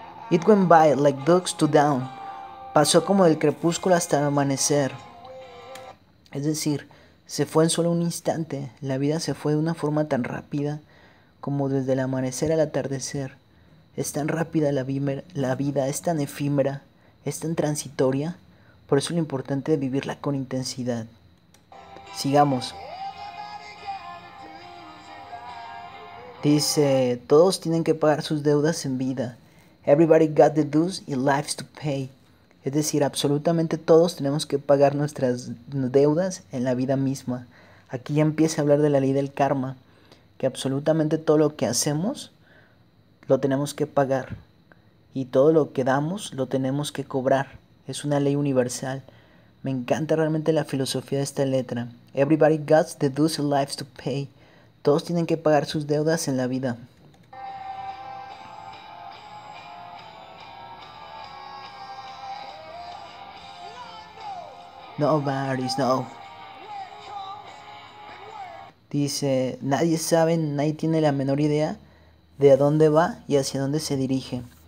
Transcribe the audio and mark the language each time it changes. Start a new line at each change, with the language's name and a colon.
English: It went by like dusk to dawn.
Spanish: Pasó como del crepúsculo hasta el amanecer. Es decir, se fue en solo un instante, la vida se fue de una forma tan rápida como desde el amanecer al atardecer. Es tan rápida la vida, es tan efímera, es tan transitoria, por eso lo importante es vivirla con intensidad. Sigamos. Dice, todos tienen que pagar sus deudas en vida.
English: Everybody got the dues and lives to pay.
Spanish: Es decir, absolutamente todos tenemos que pagar nuestras deudas en la vida misma. Aquí ya empieza a hablar de la ley del karma, que absolutamente todo lo que hacemos lo tenemos que pagar y todo lo que damos lo tenemos que cobrar. Es una ley universal. Me encanta realmente la filosofía de esta letra.
English: Everybody got the dues and lives to pay.
Spanish: Todos tienen que pagar sus deudas en la vida.
English: Nobody's know.
Spanish: Dice, nadie sabe, nadie tiene la menor idea de a dónde va y hacia dónde se dirige.